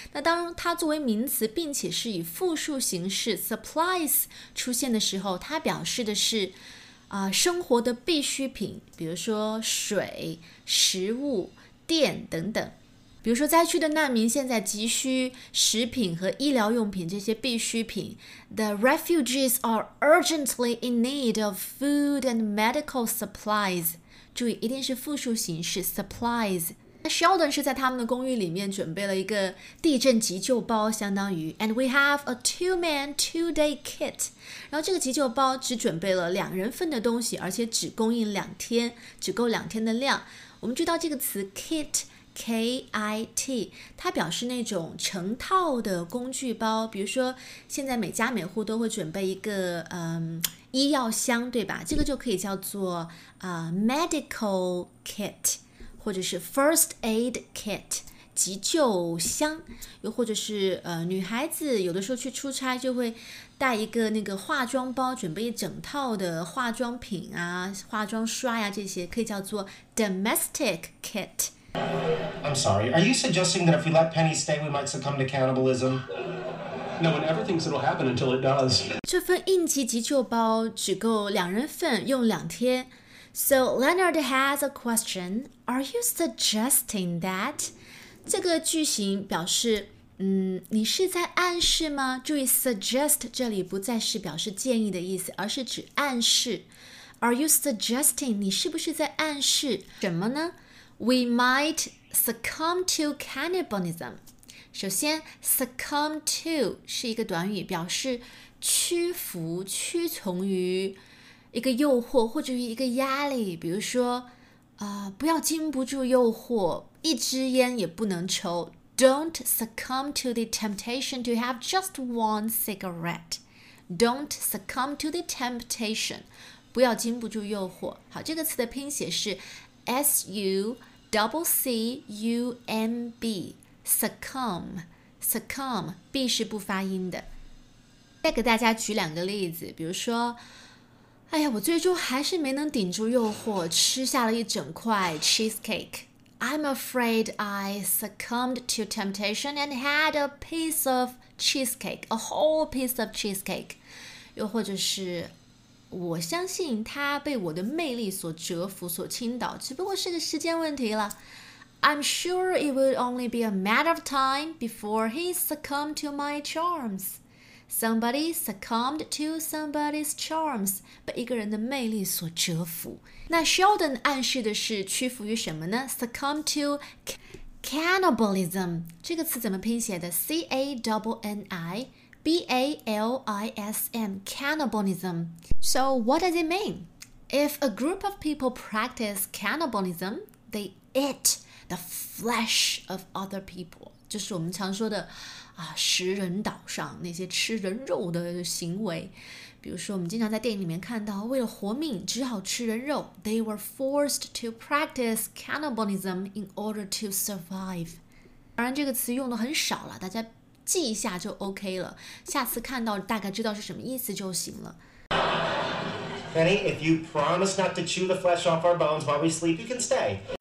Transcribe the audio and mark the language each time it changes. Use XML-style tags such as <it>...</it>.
<zh>那当它作为名词并且是以复数形式 supplies 出现的时候，它表示的是生活的必需品，比如说水、食物、电等等。比如说灾区的难民现在急需食品和医疗用品，这些必需品。</zh> <en>The refugees are urgently in need of food and medical supplies.</en> <zh>注意一定是复数形式 supplies。Sheldon 是在他们的公寓里面准备了一个地震急救包，相当于</zh> <en>And we have a two-man, two-day kit。</en> <zh>然后这个急救包只准备了两人份的东西，而且只供应两天，只够两天的量。我们知道这个词 kit K-I-T， 它表示那种成套的工具包，比如说现在每家每户都会准备一个医药箱，对吧？这个就可以叫做medical kit， 或者是 first aid kit急救箱，又或者是女孩子有的时候去出差就会带一个那个化妆包，准备一整套的化妆品啊、化妆刷呀、这些，可以叫做 domestic kit。</zh> <en>I'm sorry. Are you suggesting that if we let Penny stay, we might succumb to cannibalism? No one ever thinks it'll happen until it does.</en> <zh>这份应急急救包只够两人份，用两天。</zh> <en>So Leonard has a question. Are you suggesting that?</en> <zh>这个句型表示你是在暗示吗？注意 suggest 这里不再是表示建议的意思，而是指暗示。</zh> <en>Are you suggesting</en> <zh>你是不是在暗示什么呢？</zh> <en>We might succumb to cannibalism。</en> <zh>首先 succumb to 是一个短语，表示屈服屈从于一个诱惑或者于一个压力，比如说不要经不住诱惑，一支烟也不能抽。</zh> <en>Don't succumb to the temptation to have just one cigarette. Don't succumb to the temptation.</en> <zh>不要经不住诱惑。好，这个词的拼写是 S-U-C-C-U-M-B. Succumb. Succumb. B 是不发音的。再给大家举两个例子，比如说哎呀，我最终还是没能顶住诱惑，吃下了一整块 cheesecake.</zh> <en>I'm afraid I succumbed to temptation and had a piece of cheesecake, a whole piece of cheesecake.</en> <zh>又或者是我相信他被我的魅力所折服所倾倒，只不过是个时间问题了。</zh> <en>I'm sure it would only be a matter of time before he succumbed to my charms. Somebody succumbed to somebody's charms,</en> <zh>被一个人的魅力所折服。那 Sheldon 暗示的是屈服于什么呢？</zh> <en>Succumb to cannibalism.</en> <zh>这个词怎么拼写的？ C-A-N-N-I,</zh> <en>B-A-L-I-S-M, cannibalism. So what does it mean? If a group of people practice cannibalism, they eat the flesh of other people.</en> <zh>就是我们常说的啊，食人岛上那些吃人肉的行为。比如说我们经常在电影里面看到，为了活命只好吃人肉。</zh> <en>They were forced to practice cannibalism in order to survive.</en> <zh>当然这个词用的很少了，大家记一下就 OK 了，下次看到大概知道是什么意思就行了。</zh> <en>Penny, if you promise not to chew the flesh off our bones while we sleep, you can stay.</en>